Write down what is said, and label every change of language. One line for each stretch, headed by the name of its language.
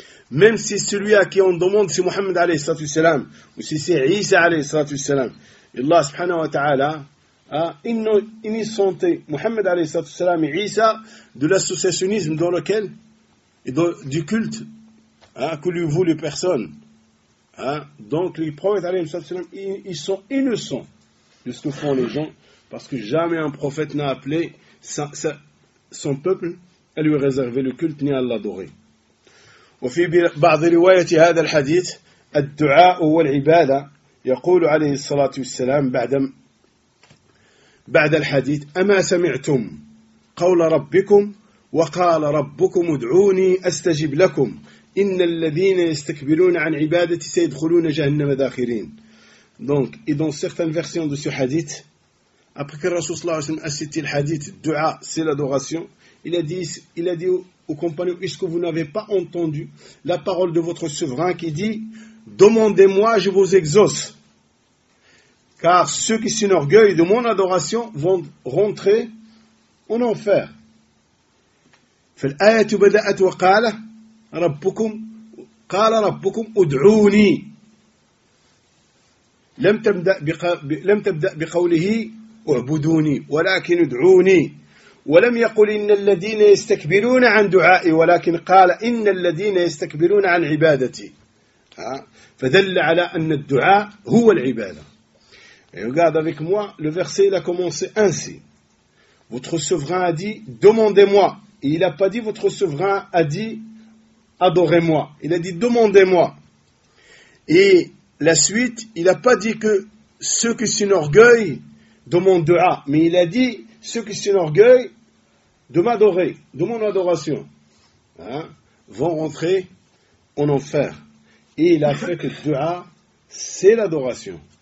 French: Même si celui à qui on demande c'est Muhammad alayhi salatu wasalam, ou si c'est Isa alayhi salatu wasalam, Allah subhanahu wa ta'ala, ils sont Muhammad alayhi salatu wasalam et Isa de l'associationnisme dans lequel, et du culte que lui voulent les personnes. Donc les prophètes alayhi salatu wasalam, ils sont innocents de ce que font les gens, parce que jamais un prophète n'a appelé son peuple à lui réserver le culte ni à l'adorer.
Arabic: وفي بعض رواية هذا الحديث الدعاء والعبادة يقول عليه الصلاة والسلام بعد الحديث أما سمعتم قول ربكم وقال ربكم ادعوني أستجب لكم إن الذين يستكبرون عن عبادتي سيدخلون جهنم داخرين.
French: Donc, et dans certaines versions de ce hadith, après que le Rasoul صلى الله عليه وسلم a cité le hadith, دعاء, c'est l'adoration, il a dit aux compagnons, est-ce que vous n'avez pas entendu la parole de votre souverain qui dit « Demandez-moi, je vous exauce. » Car ceux qui s'enorgueillent de mon adoration vont rentrer en enfer.
Arabic: فَالْآيَةُ بَدَأَتْ وَقَالَ رَبُّكُمْ قَالَ رَبُّكُمْ اُدْعُونِي لَمْ تَبْدَأْ بِقَوْلِهِ اُعْبُدُونِي وَلَكِنْ اُدْعُونِي ولم يقل إن الذين يستكبرون عن دعائي ولكن قال إن الذين يستكبرون عن عبادتي فدل على أن الدعاء هو العبادة.
French: Regarde avec moi, le verset il a commencé ainsi. Votre souverain a dit demandez-moi. Et il n'a pas dit votre souverain a dit adorez-moi. Il a dit demandez-moi. Et la suite, il n'a pas dit que ceux qui s'enorgueillent demandent dua, mais il a dit ceux qui s'enorgueillent de m'adorer, de mon adoration, vont rentrer en enfer. Et il a fait que le dua, c'est l'adoration.